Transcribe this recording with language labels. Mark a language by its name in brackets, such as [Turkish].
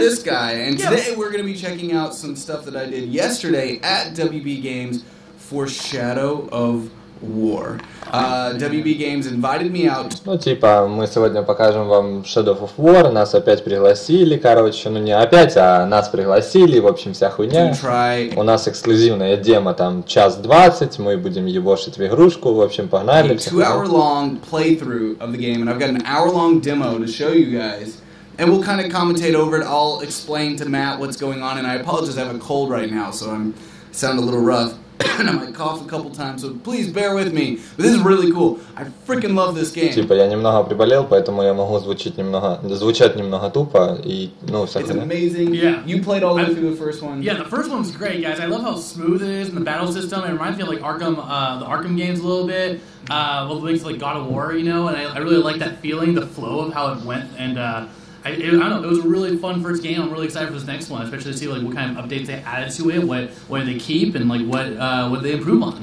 [English] This guy, and today we're gonna be checking out some stuff that I did yesterday at WB Games for Shadow of War. WB Games invited me out. [Russian] Ну, типа, мы сегодня покажем вам Shadow of War, нас опять пригласили, короче, ну не опять, а нас пригласили, в общем, вся хуйня. У нас эксклюзивная демо, там, 1:20, мы будем ебошить в игрушку, в общем, погнали. [English] A 2-hour-long playthrough of the game, and I've got an hour-long demo to show you guys. And we'll kind of commentate over it, I'll explain to Matt what's going on, and I apologize, I have a cold right now, so I'm sound a little rough. And I might cough a couple times, so please bear with me. This is really cool. I freaking love this game. [Russian] Типа я немного приболел, поэтому я могу звучать немного тупо и ну вся [English] It's amazing. Yeah. You played all the way through the first one. Yeah, the first one's great, guys. I love how smooth it is and the battle system. It reminds me of like Arkham, the Arkham games a little bit. Well, things like God of War, you know. And I really like that feeling, the flow of how it went. And I don't know. It was a really fun first game. I'm really excited for this next one, especially to see like what kind of updates they added to it, what they keep, and like what they improve on.